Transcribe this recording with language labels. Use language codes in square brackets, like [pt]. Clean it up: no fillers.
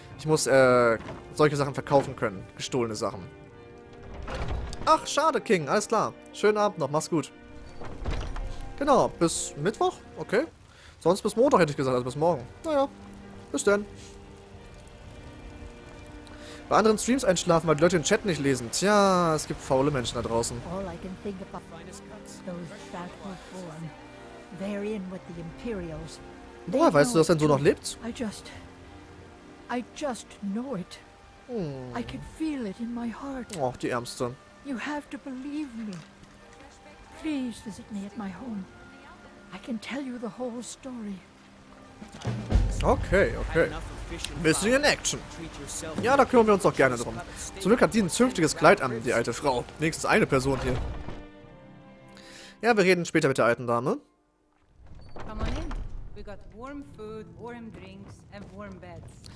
[de] Ich muss solche Sachen verkaufen können. Gestohlene Sachen. Ach, schade, King. Alles klar. Schönen Abend noch. Mach's gut. Genau, bis Mittwoch? Okay. Sonst bis Montag, hätte ich gesagt. Also bis morgen. Naja, bis dann. Bei anderen Streams einschlafen, weil die Leute den Chat nicht lesen. Tja, es gibt faule Menschen da draußen. [en] All I can think about is those back before. They're in with the Imperials. [de] Boah, weißt du, dass dein Sohn noch lebt? [en] I just know it. I can feel it in my heart. [de] Oh, die Ärmste. [en] You have to believe me. Please visit me at my home. I can tell you the whole story. Okay, okay. Missing in action. [de] Ja, da kümmern wir uns doch gerne drum. Zum Glück hat die ein zünftiges Kleid an, die alte Frau. Wenigstens eine Person hier. Ja, wir reden später mit der alten Dame. [en] Come on in. We got warm food, warm drinks and warm beds.